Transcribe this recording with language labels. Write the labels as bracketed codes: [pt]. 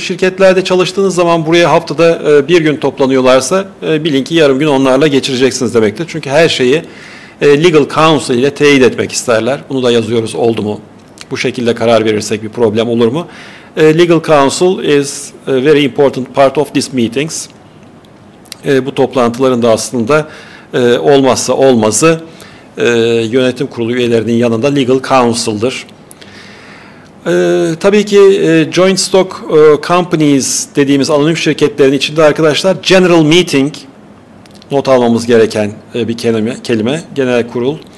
[tr] Şirketlerde çalıştığınız zaman buraya haftada bir gün toplanıyorlarsa bilin ki yarım gün onlarla geçireceksiniz demektir. Çünkü her şeyi legal counsel ile teyit etmek isterler. Bunu da yazıyoruz, oldu mu? Bu şekilde karar verirsek bir problem olur mu? [en] Legal counsel is a very important part of these meetings. [tr] Bu toplantıların da aslında olmazsa olmazı yönetim kurulu üyelerinin yanında legal counsel'dır. Tabii ki joint stock companies dediğimiz anonim şirketlerin içinde arkadaşlar general meeting, not almamız gereken bir kelime, genel kurul.